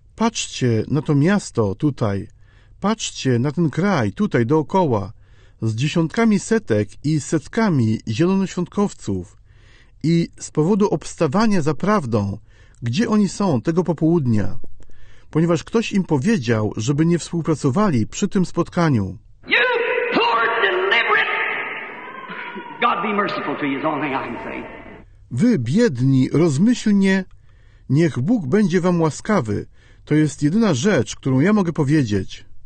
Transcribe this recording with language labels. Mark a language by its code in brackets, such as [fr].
[pl] Patrzcie na to miasto tutaj. Patrzcie na ten kraj tutaj dookoła. Z dziesiątkami setek i setkami zielonoświątkowców. I z powodu obstawania za prawdą, gdzie oni są tego popołudnia? Ponieważ ktoś im powiedział, żeby nie współpracowali przy tym spotkaniu. [en] You poor, deliberate... God be merciful to you is the only thing I can say. [pl] Wy biedni, rozmyślnie, niech Bóg będzie wam łaskawy. To jest jedyna rzecz, którą ja mogę powiedzieć.